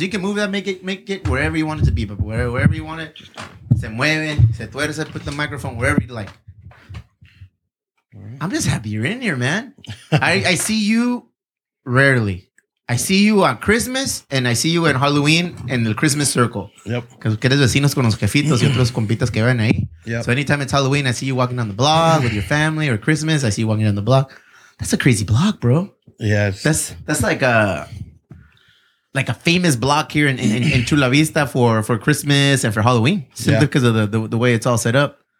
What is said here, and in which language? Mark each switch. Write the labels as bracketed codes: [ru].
[en] You can move that, make it wherever you want it to be, but wherever you want it, [es] se mueve, se tuerce, [en] put the microphone wherever you like. I'm just happy you're in here, man. I see you rarely. I see you on Christmas, and I see you in Halloween in the Christmas circle. Yep. [es] Que eres vecinos con los jefitos y otros compitas que ven ahí. [en] So anytime it's Halloween, I see you walking down the block with your family, or Christmas, I see you walking down the block. That's a crazy block, bro. Yes. That's like a famous block here in Chula Vista for Christmas and for Halloween. Simply because of the way it's all set up.